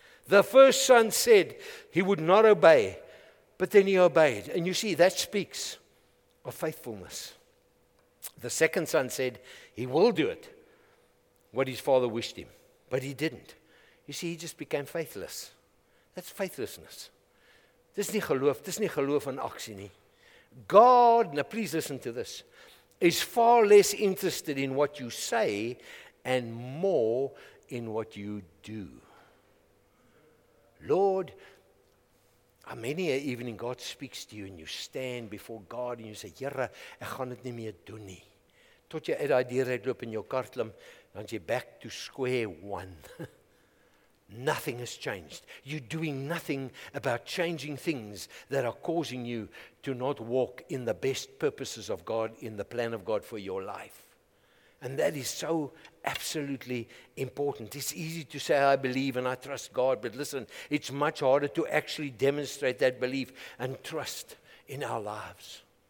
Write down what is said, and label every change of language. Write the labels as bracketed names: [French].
[English] The first son said he would not obey, but then he obeyed. And you see, that speaks of faithfulness. The second son said he will do it, what his father wished him, but he didn't. You see, he just became faithless. That's faithlessness. [Afrikaans] Dis nie geloof in aksie nie. [English] God, now please listen to this, is far less interested in what you say and more in what you do. Lord, many a evening God speaks to you and you stand before God and you say, [Afrikaans] Here, ek gaan dit nie meer doen nie. Tot jy uit die deur uitloop in jou kar klim, dan jy [English] back to square one. Nothing has changed. You're doing nothing about changing things that are causing you to not walk in the best purposes of God, in the plan of God for your life. And that is so absolutely important. It's easy to say, I believe and I trust God, but listen, it's much harder to actually demonstrate that belief and trust in our lives.